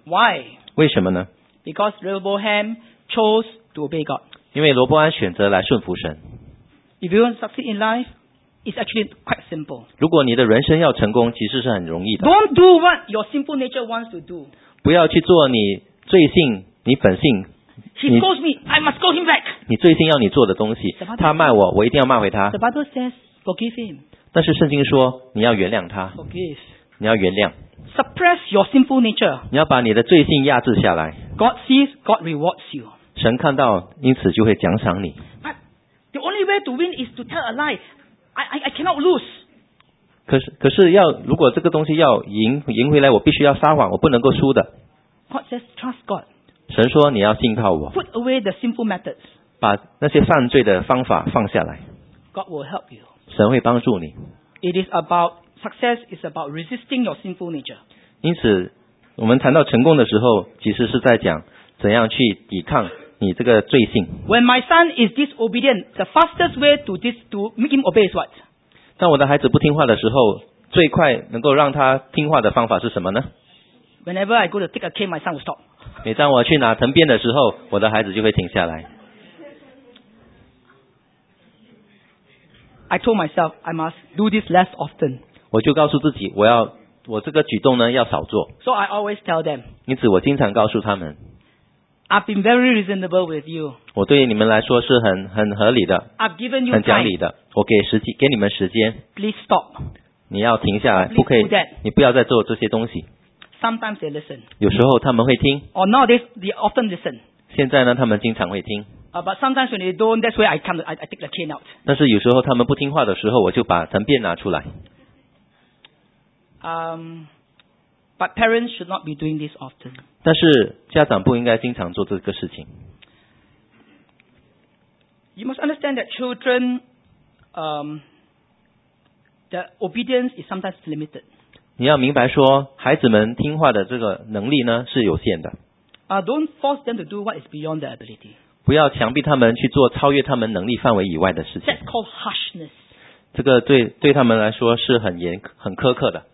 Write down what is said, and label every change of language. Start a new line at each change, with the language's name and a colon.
English: Why?
Chinese: 为什么呢？
English: Because Rehoboam chose to obey God.
Chinese: 因为罗伯安选择来顺服神。
English: If you want to succeed in life, it's actually quite simple.
Chinese: 如果你的人生要成功，其实是很容易的。
English: Don't do what your simple nature wants to do.
Chinese: 不要去做你罪性，你本性。
English: He scolds me, I must scold him back.
Chinese: 你罪性要你做的东西，他骂我，我一定要骂回他。
English: The Bible says, forgive him.
Chinese: 但是圣经说，你要原谅他。
English: Forgive.
Chinese: 你要原谅。
English: Suppress your sinful nature.
Chinese: 你要把你的罪性压制下来。
English: God sees, God rewards you.
Chinese: 神看到，因此就会奖赏你。
English: The only way to win is to tell a lie. I cannot lose.
Chinese: 可是要如果这个东西要赢回来，我必须要撒谎，我不能够输的。
English: God says trust God.
Chinese: 神说你要信靠我。
English: Put away the sinful methods.
Chinese: 把那些犯罪的方法放下来。
English: God will help you.
Chinese: 神会帮助你。
English: It is about success. Is about resisting your sinful nature.
Chinese: 因此，我们谈到成功的时候，其实是在讲怎样去抵抗。你这个罪性。
English: When my son is disobedient, the fastest way to make him obey is what?
Chinese: 当我的孩子不听话的时候，最快能够让他听话的方法是什么呢？
English: Whenever I go to take a cane, my son will stop.
Chinese: 每当我去拿藤鞭的时候，我的孩子就会停下来。
English: I told myself I must do this less often.
Chinese: 我就告诉自己，我这个举动呢要少做。
English: So I always tell them.
Chinese: 因此，我经常告诉他们。
English: I've been very reasonable with you.
Chinese: 我对你们来说是很合理的。
English: I've given you
Chinese: 很讲理的。
English: Time.
Chinese: 我给你们时间。
English: Please stop.
Chinese: 你要停下来，不可以，你不要再做这些东西。
English: Sometimes they listen.
Chinese: 有时候他们会听。
English: Or nowadays they often listen.
Chinese: 现在呢，他们经常会听。
English: But sometimes when they don't, that's where I take the cane out.
Chinese: 但是有时候他们不听话的时候，我就把藤鞭拿出来。
English: But parents should not be doing this often.
Chinese: 但是家长不应该经常做这个事情。
English: You must understand that children, the obedience is sometimes limited.
Chinese: 你要明白说，孩子们听话的这个能力呢是有限的。
English: Don't force them to do what is beyond their ability.
Chinese: 不要强迫他们去做超越他们能力范围以外的事情。
English: That's called harshness.
Chinese: 这个对他们来说是很苛刻的。